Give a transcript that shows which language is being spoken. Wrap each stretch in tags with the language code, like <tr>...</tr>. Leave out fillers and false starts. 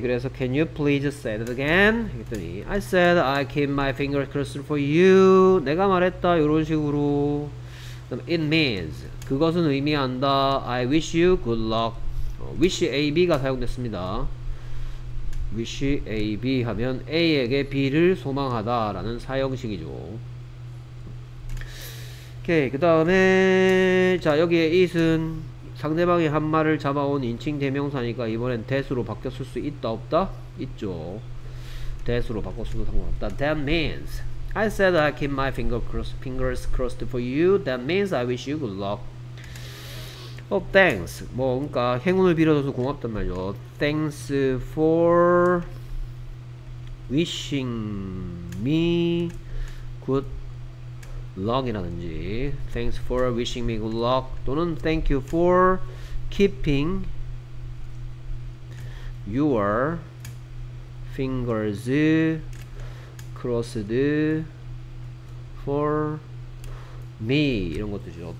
<en>그래서 can you please say it again 했더니 I said I keep my fingers crossed for you.</en> <ko>내가 말했다 이런 식으로.</ko> <en>It means 그것은 의미한다. I wish you good luck.</en> <ko>Wish AB가 사용됐습니다. Wish AB 하면 A에게 B를 소망하다 라는 사형식이죠. 오케이. 그 다음에 자 여기에 it은 상대방이 한 말을 잡아온 인칭 대명사니까 이번엔 that으로 바뀌었을 수 있다 없다? 있죠. that으로 바꿨어도 상관없다.</ko> <en>That means I said I keep my fingers crossed for you. That means I wish you good luck. Oh, thanks.</en> <ko>뭐 그러니까 행운을 빌어줘서 고맙단 말이죠.</ko> <en>Thanks for wishing me good luck 이라든지 thanks for wishing me good luck 또는 thank you for keeping your fingers crossed for me 이런 것들이죠.</en>